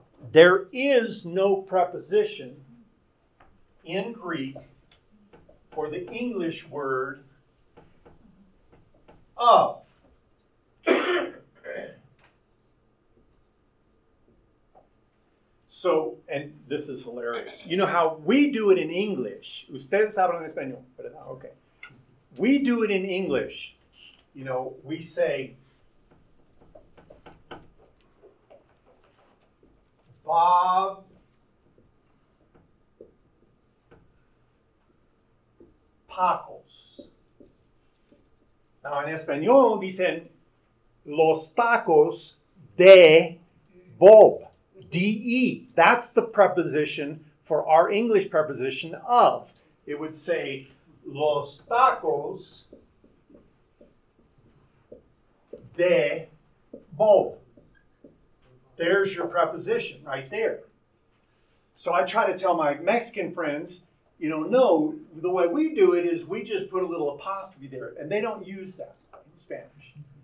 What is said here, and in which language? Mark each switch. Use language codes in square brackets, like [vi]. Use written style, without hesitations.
[en] There is no preposition in Greek for the English word of. So, and this is hilarious. You know how we do it in English? [es] Ustedes hablan español, ¿verdad? [en] Okay. We do it in English. You know, we say, Bob tacos. Now, in [es] español, dicen los tacos de Bob. D-E. [en] That's the preposition for our English preposition of. It would say [es] los tacos de Bob. [en] There's your preposition right there. So I try to tell my Mexican friends, you know, no, the way we do it is we just put a little apostrophe there, and they don't use that in Spanish.